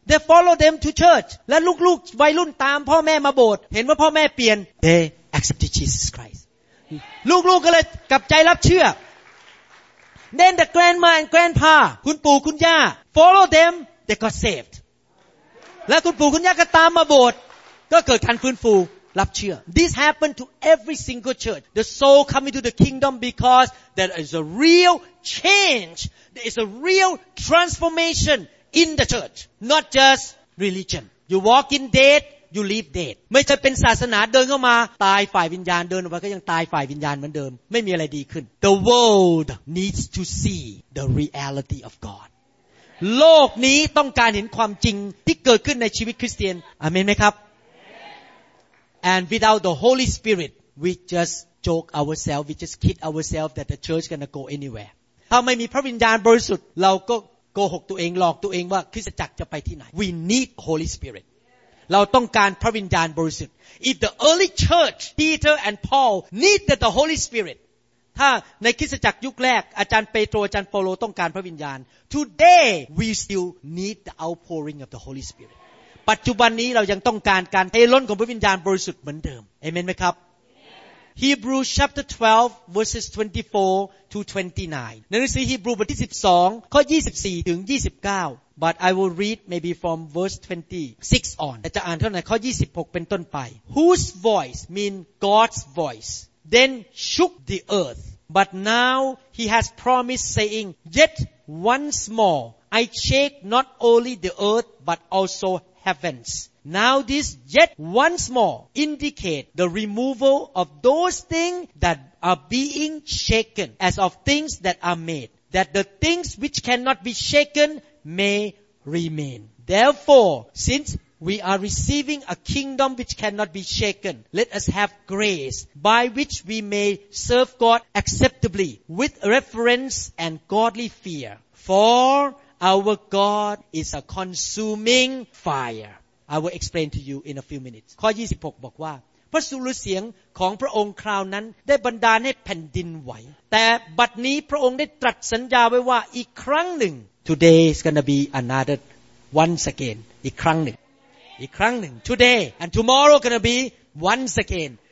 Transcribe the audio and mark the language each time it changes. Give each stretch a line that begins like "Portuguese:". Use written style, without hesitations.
English: They follow them to church."
Thai: และลูกๆวัยรุ่นตามพ่อแม่มาโบสถ์เห็นว่าพ่อแม่เปลี่ยน
English: They accepted Jesus Christ.
Thai: ลูกๆก็เลยกลับใจรับเชื่อ
English: Then the grandma and grandpa,
Thai: คุณปู่คุณย่า
English: follow them. They got saved.
Thai: และคุณปู่คุณย่าก็ตามมาโบสถ์ก็เกิดการฟื้นฟูรับเชื่อ
English: This happened to every single church. The soul coming to the kingdom because there is a real change. There is a real transformation in the church, not just religion. You walk in dead, you leave dead.
Thai: ไม่ใช่เป็นศาสนาเดินเข้ามาตายฝ่ายวิญญาณเดินออกไปก็ยังตายฝ่ายวิญญาณเหมือนเดิมไม่มีอะไรดีขึ้น
English: The world needs to see the reality of God.
Thai: โลกนี้ต้องการเห็นความจริงที่เกิดขึ้นในชีวิตคริสเตียนอาเมนไหมครับ
English: And without the Holy Spirit, we just joke ourselves. We just kid ourselves that the church gonna go anywhere.
Thai: ถ้าไม่มีพระวิญญาณบริสุทธิ์เราก็โกหกตัวเองหลอกตัวเองว่าคริสตจักรจะไปที่ไหน
English: We need Holy Spirit. เราต้องการพระวิญญาณบริสุทธิ์ If the early church, Peter and Paul needed the Holy Spirit,
Thai: ถ้าในคริสตจักรยุคแรกอาจารย์เปโตรอาจารย์เปาโลต้องการพระวิญญาณ
English: Today we still need the outpouring of the Holy Spirit.
Thai: ปัจจุบันนี้เรายังต้องการการเทล้นของพระวิญญาณบริสุทธิ์เหมือนเดิมเอเมนไหมครับ
English: Hebrews chapter 12 verses 24 to 29
Thai: ในหนังสือฮีบรูบทที่12ข้อ24ถึง29
English: but I will read maybe from verse 26 on
Thai: แต่จะอ่านเท่าไหร่ข้อ26เป็นต้นไป
English: whose voice mean God's voice then shook the earth but now he has promised saying yet once more I shake not only the earth but alsoHeavens. Now this yet once more indicate the removal of those things that are being shaken as of things that are made, that the things which cannot be shaken may remain. Therefore, since we are receiving a kingdom which cannot be shaken, let us have grace by which we may serve God acceptably with reverence and godly fear. For... Our God is a consuming fire. I will explain to you in a few minutes.
Thai: ข้อ26บอกว่าพระสุรเสียงของพระองค์คราวนั้นได้บันดาลให้แผ่นดินไหวแต่บัดนี้พระองค์ได้ตรัสสัญญาไว้ว่าอีกครั้งหนึ่ง
English: Today is going to be another once again.
Thai: อีกครั้งหนึ่ง อีกครั้งหนึ่ง
English: Today and tomorrow is going to be once again.